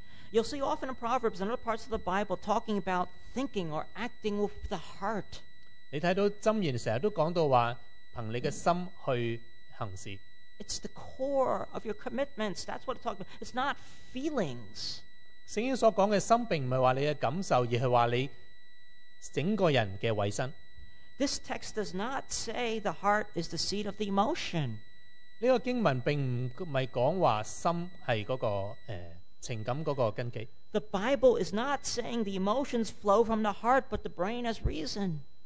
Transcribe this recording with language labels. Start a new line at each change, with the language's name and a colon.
English: You'll see often in Proverbs and other parts of the Bible talking about thinking or acting with the heart.
Chinese: 你看到箴言经常都讲到说,凭你的心去行事。
English: It's the core of your commitments. That's what it's talking about. It's not feelings.
Chinese: 圣经所讲的心并不是说你的感受,而是说你整个人的委身。
English: This text does not say the heart is the seat of the emotion.
Chinese: 这个经文并不是说心是那个情感那个根基。
English: The Bible is not saying the emotions flow from the heart, but the brain has reason.